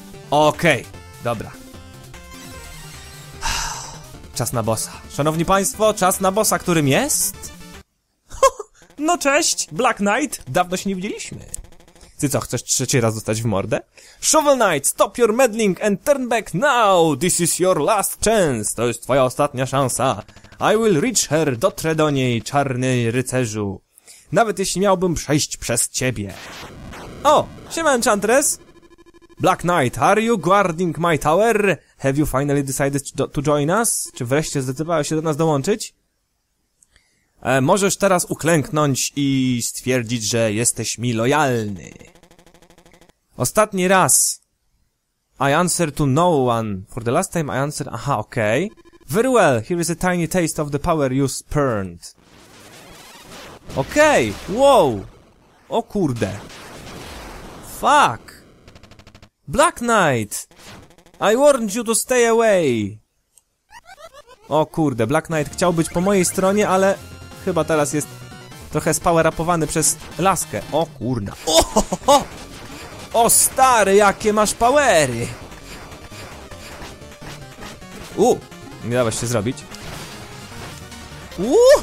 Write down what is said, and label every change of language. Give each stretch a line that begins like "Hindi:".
Polish: Okej, okay, dobra. Czas na bossa. Szanowni Państwo, czas na bossa, którym jest? No cześć, Black Knight. Dawno się nie widzieliśmy. Ty co, chcesz trzeci raz dostać w mordę?
English: Shovel Knight, stop your meddling and turn back now. This is your last chance.
Polish: To jest twoja ostatnia szansa.
English: I will reach her,
Polish: dotrę do niej, czarny rycerzu. Nawet jeśli miałbym przejść przez ciebie. O, siema Enchantress.
English: Black Knight, are you guarding my tower? Have you finally decided to join us?
Polish: Czy wreszcie zdecydowałeś się do nas dołączyć? Możesz teraz uklęknąć i stwierdzić, że jesteś mi lojalny. Ostatni raz.
English: I answer to no one. For the last time I answer...
Polish: aha, okej.
English: Okay. Very well, here is a tiny taste of the power you spurned.
Polish: Okej, okay. Wow. O kurde. Fuck.
English: Black Knight! I warned you to stay away!
Polish: O kurde, Black Knight chciał być po mojej stronie, ale chyba teraz jest trochę spowerapowany przez laskę. O kurna. O, ho, ho. O stary, jakie masz powery! U! Nie dałeś się zrobić. U!